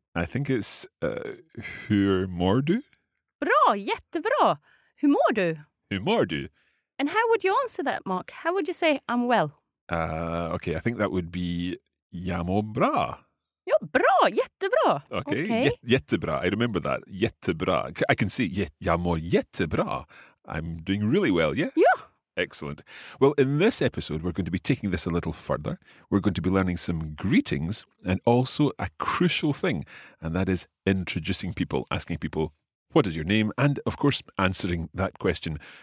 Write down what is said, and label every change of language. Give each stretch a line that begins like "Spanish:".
English: I think it's
Swedish: hur mår du? Bra, jättebra. Hur mår du? Hur mår du?
English: And how would you answer that, Mark? How would you say I'm well? Okay, I think that would be
Swedish: jag mår bra. Ja, bra, jättebra.
English: Okay, jättebra. I remember that. Jättebra. I can see
Swedish: jag mår jättebra.
English: I'm doing really well, yeah? Yeah. Excellent. Well, in this episode, we're going to be taking this a little further. We're going to be learning some greetings and also a crucial thing, and that is introducing people, asking people, what is your name? And, of course, answering that question.